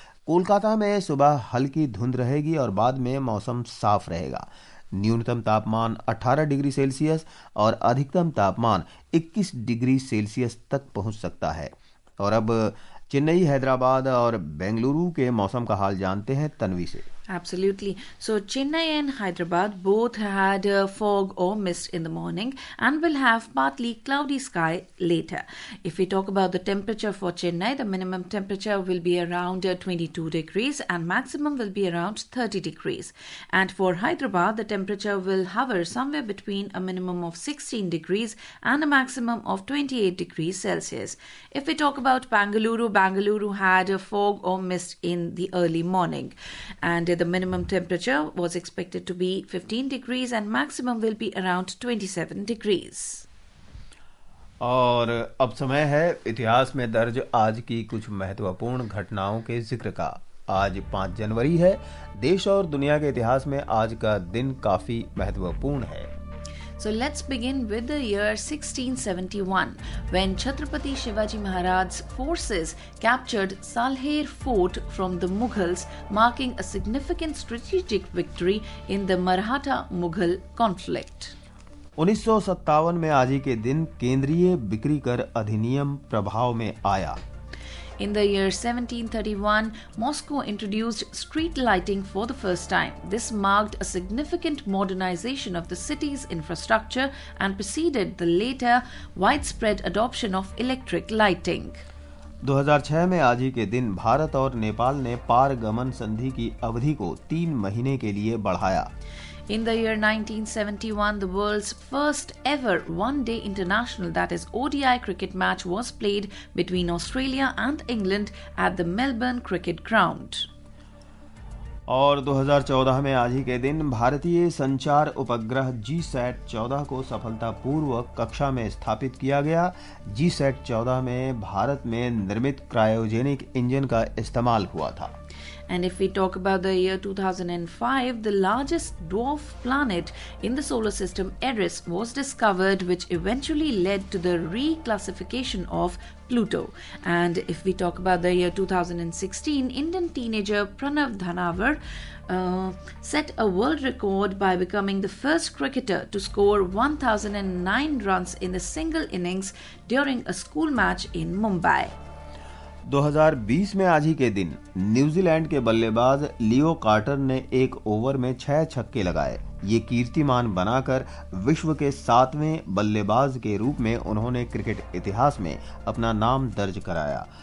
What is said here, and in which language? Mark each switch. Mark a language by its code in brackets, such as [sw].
[hi] कोलकाता में सुबह हल्की धुंध रहेगी और बाद में मौसम साफ रहेगा। न्यूनतम तापमान 18 डिग्री सेल्सियस और अधिकतम तापमान 21 डिग्री सेल्सियस तक पहुंच सकता है। और अब चेन्नई, हैदराबाद और बेंगलुरु के मौसम का हाल जानते हैं तन्वी से। [en] Absolutely. So Chennai and Hyderabad both had fog or mist in the morning and will have partly cloudy sky later. If we talk about the temperature for Chennai, the minimum temperature will be around 22 degrees and maximum will be around 30 degrees. And for Hyderabad, the temperature will hover somewhere between a minimum of 16 degrees and a maximum of 28 degrees Celsius. If we talk about Bengaluru, Bengaluru had a fog or mist in the early morning. And the minimum temperature was expected to be 15 degrees and maximum will be around 27 degrees. [hi] और अब समय है इतिहास में दर्ज आज की कुछ महत्वपूर्ण घटनाओं के जिक्र का। आज 5 जनवरी है, देश और दुनिया के इतिहास में आज का दिन काफी महत्वपूर्ण है। [en] So let's begin with the year 1671 when Chhatrapati Shivaji Maharaj's forces captured Salher Fort from the Mughals, marking a significant strategic victory in the Maratha-Mughal conflict. [hi] 1957 में आज के दिन केंद्रीय बिक्री कर अधिनियम प्रभाव में आया। [en] In the year 1731, Moscow introduced street lighting for the first time. This marked a significant modernization of the city's infrastructure and preceded the later widespread adoption of electric lighting. [hi] 2006 में आज ही के दिन भारत और नेपाल ने पारगमन संधि की अवधि को 3 महीने के लिए बढ़ाया। [en] In the year 1971, the world's first ever one-day international, that is ODI cricket match, was played between Australia and England at the Melbourne Cricket Ground. [hi] और 2014 में आज ही के दिन भारतीय संचार उपग्रह GSAT 14 को सफलतापूर्वक कक्षा में स्थापित किया गया। GSAT 14 में भारत में निर्मित क्रायोजेनिक इंजन का इस्तेमाल हुआ था। [en] And if we talk about the year 2005, the largest dwarf planet in the solar system, Eris, was discovered, which eventually led to the reclassification of Pluto. And if we talk about the year 2016, Indian teenager Pranav Dhanavar set a world record by becoming the first cricketer to score 1,009 runs in a single innings during a school match in Mumbai. [hi] 2020 में आज ही के दिन New Zealand के बल्लेबाज लियो quarter ने एक over में 6 छक्के लगाए। ये कीर्तिमान बनाकर विश्व के 7वें बल्लेबाज के रूप में उन्होंने क्रिकेट इतिहास में अपना नाम दर्ज कराया।